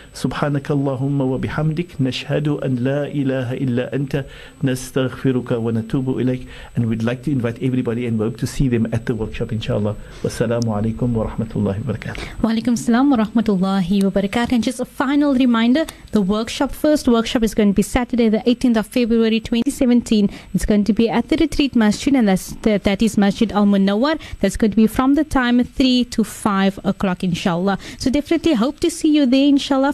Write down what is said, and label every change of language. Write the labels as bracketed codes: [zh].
[ar] سبحانك اللهم وبحمدك نشهد أن لا إله إلا أنت نستغفرك ونتوب إليك. [en] And we'd like to invite everybody and we hope to see them at the workshop, inshallah. [ar] والسلام عليكم ورحمة الله وبركاته. وعليكم السلام ورحمة الله وبركاته. [en] And just a final reminder, the workshop, first workshop, is going to be Saturday the 18th of February 2017. It's going to be at the Retreat Masjid, and that is Masjid Al-Munawwar. That's going to be from the time 3 to 5 o'clock, inshallah. So definitely hope to see you there, inshallah.